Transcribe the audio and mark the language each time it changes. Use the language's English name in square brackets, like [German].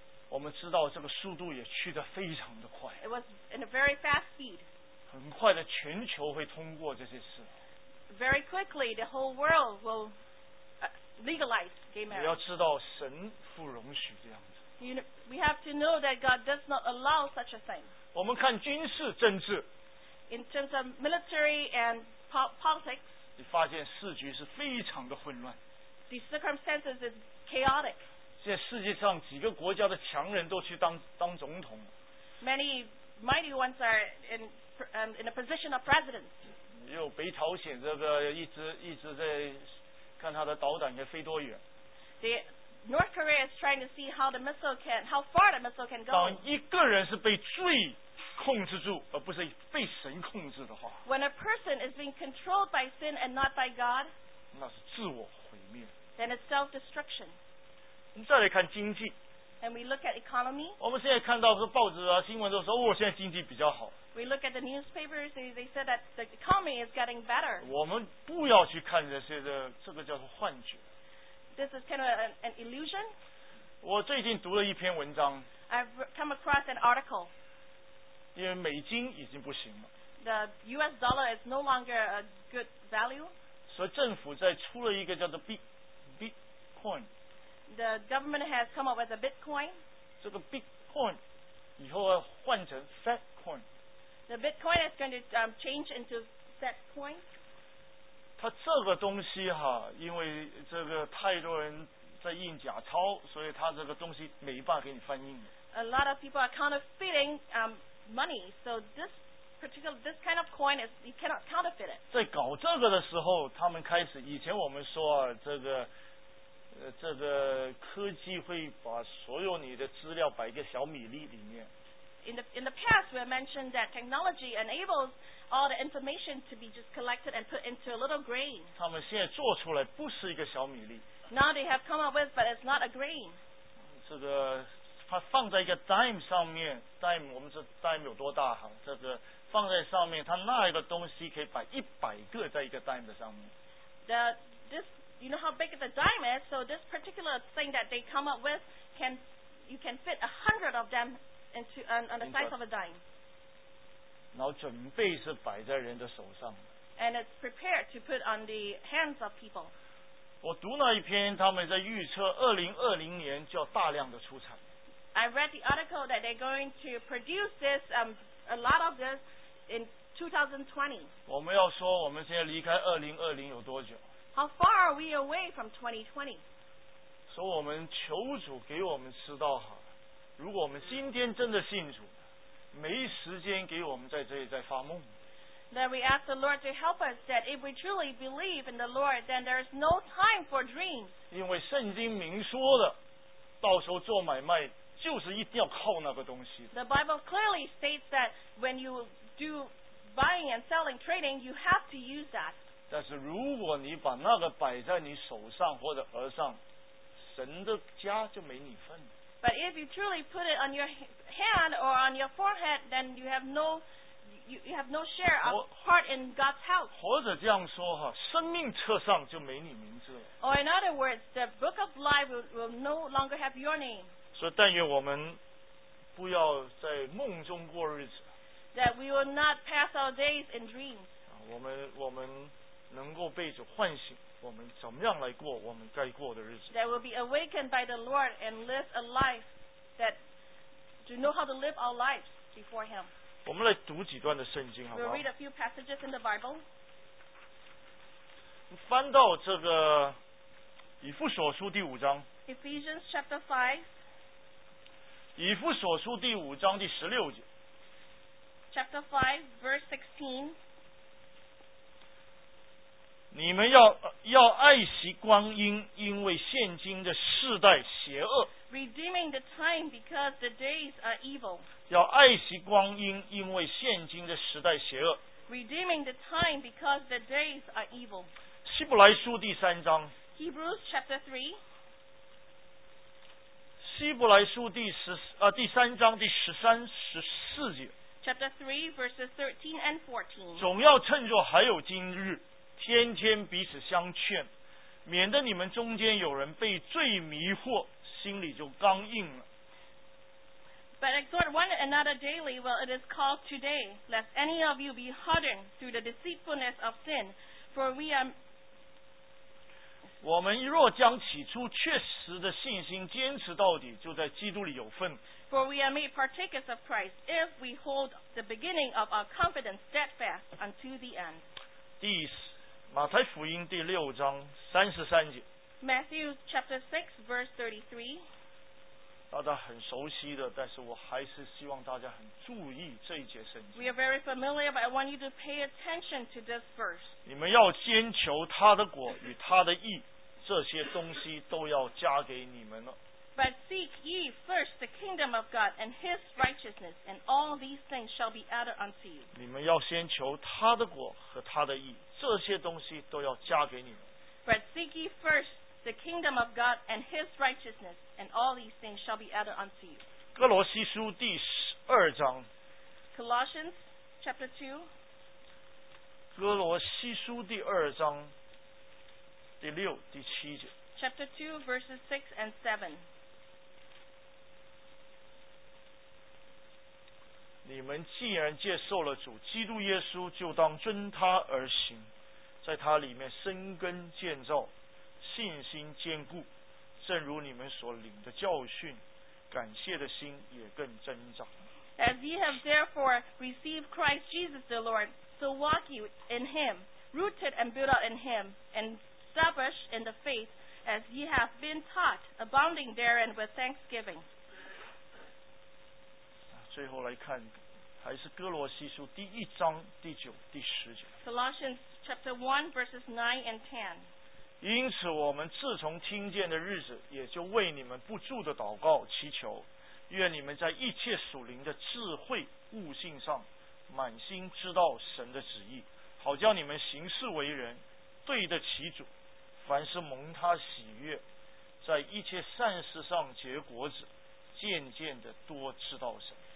[Chinese] 我们知道这个速度也去得非常的快 [English] It was in a very fast speed. [Chinese] 很快的全球会通过这些事 [English] Very quickly the whole world will legalize gay marriage [Chinese] 你要知道神不容许这样子 [English] We have to know that God does not allow such a thing [Chinese] 我们看军事政治 [English] In terms of military and politics [Chinese] 你发现世局是非常的混乱 [English] The circumstances is chaotic [Chinese] 现在世界上几个国家的强人都去当总统。 [English] Many mighty ones are in a position of president. [Chinese] 又北朝鲜这个一直在看他的导弹要飞多远。 [English] The North Korea is trying to see how far the missile can go. [Chinese] 当一个人是被罪控制住，而不是被神控制的话。 [English] When a person is being controlled by sin and not by God. [Chinese] 那是自我毁灭。 [English] Then it's self-destruction. [Chinese] 我们再来看经济 [English] And we look at economy. [Chinese] 我们现在看到说报纸啊新闻都说、哦、现在经济比较好 [English] We look at the newspapers and they said that the economy is getting better [Chinese] 我们不要去看这些的这个叫做幻觉 [English] This is kind of an illusion [Chinese] 我最近读了一篇文章 [English] I've come across an article. [Chinese] 因为美金已经不行了。 [English] The U.S. dollar is no longer a good value. [Chinese] 所以政府在出了一个叫做 Bitcoin. [English] The government has come up with a Bitcoin. [Chinese] 这个 Bitcoin 以后要换成 Fed coin. [English] The Bitcoin is going to change into Fed coin. [Chinese] 它这个东西哈，因为这个太多人在印假钞，所以它这个东西没办法给你翻印。 [English] A lot of people are counterfeiting money, so this kind of coin is you cannot counterfeit it. [Chinese] 在搞这个的时候，他们开始以前我们说、啊、这个科技会把所有你的资料摆一个小米粒里面。 [English] In the past, we mentioned that technology enables all the information to be just collected and put into a little grain. [Chinese] 他们现在做出来不是一个小米粒。 [English] Now they have come up with, but it's not a grain. [Chinese] 这个它放在一个 dime 上面 ，dime 我们知道 dime 有多大哈？这个放在上面，它那一个东西可以摆一百个在一个 dime 的上面。 [English] This, you know how big the dime is, so this particular thing that they come up with can you can fit 100 of them into on the size of a dime. [Chinese] 然后准备是摆在人的手上。 [English] And it's prepared to put on the hands of people. [Chinese] 我读了一篇，他们在预测2020年就要大量的出产。 [English] I read the article that they're going to produce this, a lot of this in 2020. [Chinese] 我们要说我们现在离开2020有多久？ [English] How far are we away from 2020? [Chinese] 所以我们求主给我们知道好了，如果我们今天真的信主，没时间给我们在这里再发梦。 [English] Then we ask the Lord to help us that if we truly believe in the Lord, then there is no time for dreams. [Chinese] 因为圣经明说的，到时候做买卖就是一定要靠那个东西。 [English] The Bible clearly states that when you do buying and selling trading, you have to use that. [Chinese] 但是如果你把那个摆在你手上或者额上，神的家就没你份。 [English] But if you truly put it on your hand or on your forehead, then you have no share of heart in God's house. [Chinese] 或者这样说哈，生命册上就没你名字了。 [English] Or in other words, the book of life will no longer have your name. [Chinese] 所以但愿我们不要在梦中过日子。 [English] That we will not pass our days in dreams. [Chinese] 我们能够被主唤醒，我们怎么样来过我们该过的日子。 [English] That will be awakened by the Lord and live a life that to know how to live our lives before Him. [Chinese] 我们来读几段的圣经，好不好 [English] ？We'll read a few passages in the Bible. [Chinese] 翻到这个以弗所书第五章。 [English] Ephesians chapter 5. [Chinese] 以弗所书第五章第十六节 [English] Chapter 5 verse 16 [Chinese] 你们 要爱惜光阴因为现今的世代邪恶 [English] Redeeming the time because the days are evil [Chinese] 要爱惜光阴因为现今的时代邪恶 [English] Redeeming the time because the days are evil [Chinese] 希伯来书第三章 [English] Hebrews chapter 3 [Chinese] 希伯来书第三章第十三十四节 [English] Chapter 3 verses 13 and 14 [Chinese] 总要趁着还有今日天天彼此相劝免得你们中间有人被罪迷惑心里就刚硬了 [English] But exhort one another daily while it is called today lest any of you be hardened through the deceitfulness of sin for we are [Chinese] 我们若将起初确实的信心坚持到底，就在基督里有份。 [English] For we are made partakers of Christ if we hold the beginning of our confidence steadfast unto the end. [Chinese] 第四，马太福音第六章三十三节。 [English] Matthew chapter 6 verse 33 [Chinese] 大家很熟悉的，但是我还是希望大家很注意这一节圣经。 [English] We are very familiar, but I want you to pay attention to this verse. [Chinese] 你们要先求他的果与他的义。这些东西都要加给你们了。 [English] But seek ye first the kingdom of God and His righteousness, and all these things shall be added unto you. [Chinese] 你们要先求他的果和他的义，这些东西都要加给你们。 [English] But seek ye first the kingdom of God and His righteousness, and all these things shall be added unto you. [Chinese] 哥罗西书第十二章。 [English] Colossians chapter [Chinese] 2. 哥罗西书第二章。第六、第七节。 [English] Chapter 2, verses 6 and 7. [Chinese] 你们既然接受了主基督耶稣，就当遵他而行，在他里面生根建造，信心坚固，正如你们所领的教训，感谢的心也更增长。 [English] As ye have therefore received Christ Jesus the Lord, so walk you in him, rooted and built up in him, and established in the faith, as ye have been taught, abounding therein with thanksgiving. [Chinese] 最后来看，还是哥罗西书第一章第九、第十节。 [English] Colossians chapter 1 verses 9 and 10. [Chinese] 因此我们自从听见的日子，也就为你们不住的祷告祈求，愿你们在一切属灵的智慧悟性上满心知道神的旨意，好叫你们行事为人对得起主，凡是蒙他喜悦，在一切善事上结果子，渐渐的多知道神。